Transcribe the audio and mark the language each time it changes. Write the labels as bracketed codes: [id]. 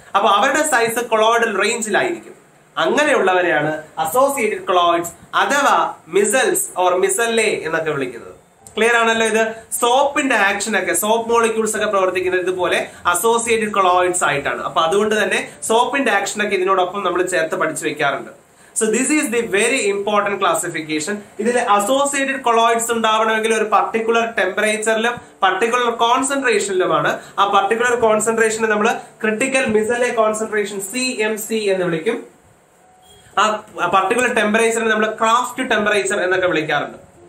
[ml] അപ്പൊ അവരുടെ size colloidal റേഞ്ചിലായിരിക്കും. അങ്ങനെയുള്ളവരെയാണ് associated colloids അഥവാ മിസൽസ് ഓർ മിസല്ലെ എന്നൊക്കെ വിളിക്കുന്നത്. ക്ലിയർ ആണല്ലോ. ഇത് സോപ്പിന്റെ ആക്ഷൻ ഒക്കെ, സോപ്പ് മോളിക്യൂൾസ് ഒക്കെ പ്രവർത്തിക്കുന്നത് ഇതുപോലെ അസോസിയേറ്റഡ് കൊളോയിഡ്സ് ആയിട്ടാണ്. അപ്പൊ അതുകൊണ്ട് തന്നെ സോപ്പിന്റെ ആക്ഷൻ ഒക്കെ ഇതിനോടൊപ്പം നമ്മൾ ചേർത്ത് പഠിച്ചു വെക്കാറുണ്ട്. [en] So this is the very important classification. [ml] ഇതിലെ associated colloids ഉണ്ടാവണമെങ്കിൽ ഒരു പർട്ടിക്കുലർ ടെമ്പറേച്ചറിലും പർട്ടിക്കുലർ കോൺസെൻട്രേഷനിലുമാണ്. ആ പർട്ടിക്കുലർ കോൺസെൻട്രേഷനെ നമ്മൾ ക്രിട്ടിക്കൽ മിസലെ കോൺസെൻട്രേഷൻ CMC എന്ന് വിളിക്കും. ആ പർട്ടിക്കുലർ ടെമ്പറേച്ചറിനെ നമ്മൾ ക്രാഫ്റ്റ് ടെമ്പറേച്ചർ എന്നൊക്കെ വിളിക്കാറുണ്ട്.